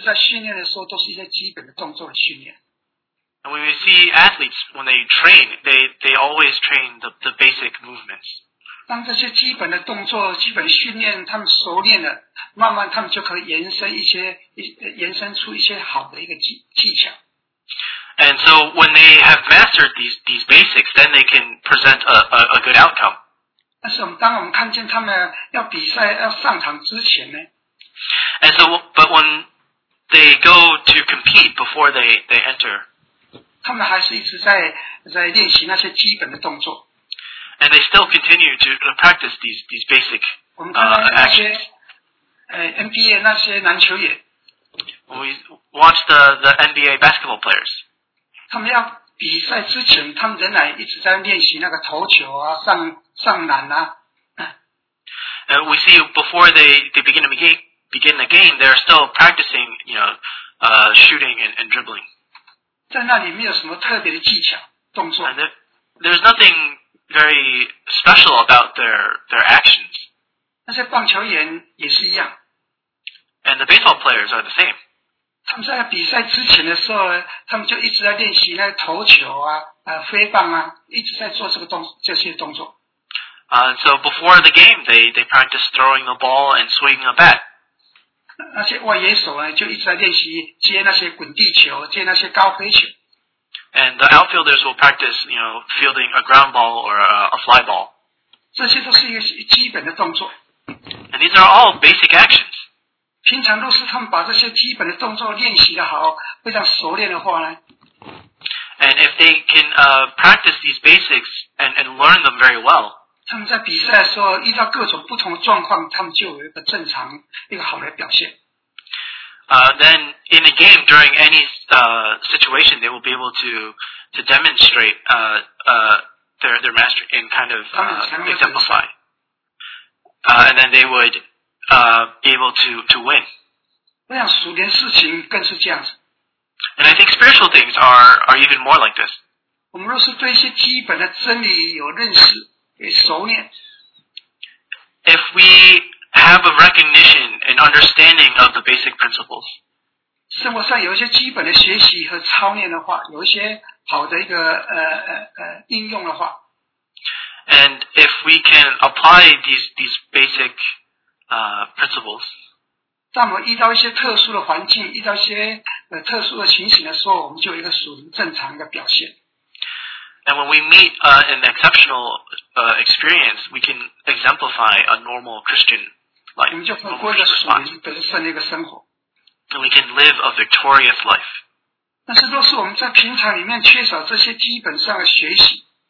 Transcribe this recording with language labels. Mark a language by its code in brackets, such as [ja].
[zh] 我们看在运动场那些球员，他们平时在训练的时候都是一些基本的动作训练。 [en] And when we see athletes when they train, they always train the basic movements. [zh] 当这些基本的动作、基本训练他们熟练了，慢慢他们就可以延伸出一些好的一个技巧。 [en] And so when they have mastered these basics, then they can present a good outcome. [zh] 但是我们当我们看见他们要比赛要上场之前呢, [en] and so, but when they go to compete before they enter, [zh] 他们还是一直在练习那些基本的动作。 [en] And they still continue to practice these basic [zh] NBA 那些篮球员。 [en] We watch the NBA basketball players. [zh] 他们要比赛之前，他们仍然一直在练习那个投球啊，上篮啊。 [en] We see before they begin the game, they're still practicing, you know, shooting and dribbling. [zh] 在那里没有什么特别的技巧动作。 [en] There's nothing very special about their actions. [zh] 那些棒球员也是一样。 [en] And the baseball players are the same. [zh] 他们在比赛之前的时候，他们就一直在练习那个投球啊，挥棒啊，一直在做这些动作。 [en] So before the game, they practice throwing the ball and swinging a bat. [zh] 那些外野手呢，就一直在练习接那些滚地球，接那些高飞球。 [en] And the outfielders will practice, you know, fielding a ground ball or a fly ball. [zh] 这些都是一个基本的动作。 [en] And these are all basic actions. [zh] 平常若是他们把这些基本的动作练习的好，非常熟练的话呢？ [en] And if they can practice these basics and learn them very well. [zh] 他们在比赛的时候遇到各种不同的状况，他们就有一个正常一个好的表现。 [en] Then in a game during any situation, they will be able to demonstrate their mastery and kind of exemplify. And then they would be able to win. [zh] 我想属灵事情更是这样子。 [en] And I think spiritual things are even more like this. [zh] 我们若是对一些基本的真理有认识。 [en] If we have a recognition and understanding of the basic principles, [zh] 生活上有一些基本的学习和操练的话，有一些好的一个应用的话 [en] ，and if we can apply these basic principles, [zh] 当我们遇到一些特殊的环境，遇到一些特殊的情形的时候，我们就有一个属于正常的表现。 [en] And when we meet an exceptional experience, we can exemplify a normal Christian life. [zh] 我们就会过一个属灵本身的一个生活。 [en] And we can live a victorious life. [zh] 但是若是我们在平常里面缺少这些基本上的学习。